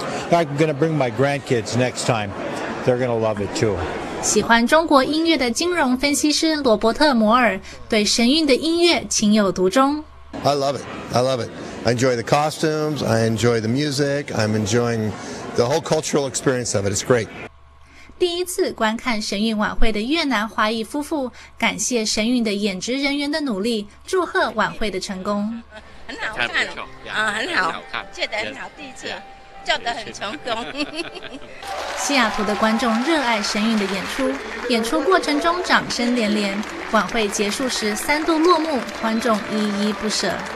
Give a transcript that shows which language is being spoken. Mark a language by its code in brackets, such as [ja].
[en] I'm going to bring my grandkids next time. They're going to love it too. [zh] 喜欢中国音乐的金融分析师罗伯特·摩尔对神韵的音乐情有独钟。 [en] I love it. I love it. I enjoy the costumes. I enjoy the music. I'm enjoying the whole cultural experience of it. It's great. [zh] 第一次观看神韵晚会的越南华裔夫妇感谢神韵的演职人员的努力，祝贺晚会的成功。很好看，很好，很好看，觉得很好，第一次。叫得很成功。西雅图的观众热爱神韵的演出，演出过程中掌声连连，晚会结束时三度落幕，观众依依不舍。